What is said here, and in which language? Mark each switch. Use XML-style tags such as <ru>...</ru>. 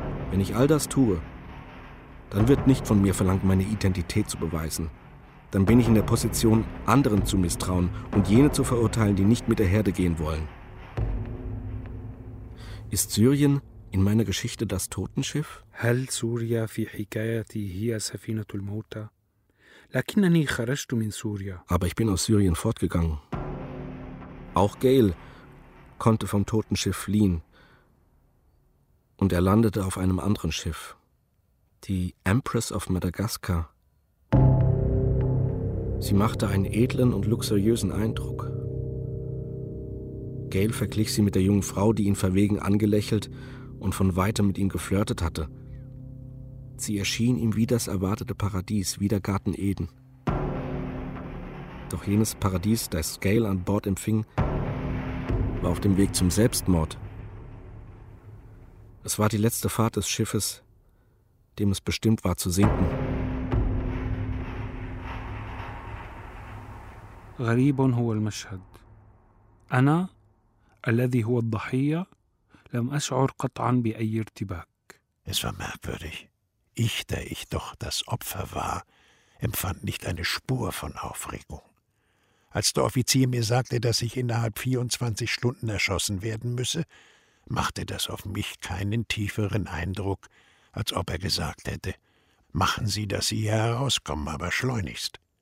<de>Wenn ich all das tue, dann wird nicht von mir verlangt, meine Identität zu beweisen. Dann bin ich in der Position, anderen zu misstrauen und jene zu verurteilen, die nicht mit der Herde gehen wollen. Ist Syrien in meiner Geschichte das Totenschiff?</de> <ar>هل سوريا في حكايتي هي سفينة الموتى؟ لكنني خرجت من سوريا.</ar> <de>Aber ich bin aus Syrien fortgegangen. Auch Gail konnte vom Totenschiff fliehen. Und er landete auf einem anderen Schiff. Die Empress of Madagascar. Sie machte einen edlen und luxuriösen Eindruck. Gail verglich sie mit der jungen Frau, die ihn verwegen angelächelt und von weitem mit ihm geflirtet hatte. Sie erschien ihm wie das erwartete Paradies, wie der Garten Eden. Doch jenes Paradies, das Gail an Bord empfing, war auf dem Weg zum Selbstmord. Es war die letzte Fahrt des Schiffes, dem es bestimmt war zu sinken.</de> <ar>غريب هو المشهد. أنا الذي هو الضحية لم أشعر قطعا بأي ارتباك.</ar> <de>Es war merkwürdig. Ich, der ich doch das Opfer war, empfand nicht eine Spur von Aufregung. Als der Offizier mir sagte, dass ich innerhalb 24 Stunden erschossen werden müsse, machte das auf mich keinen tieferen Eindruck, als ob er gesagt hätte, machen Sie, dass Sie hier herauskommen, aber schleunigst.</de>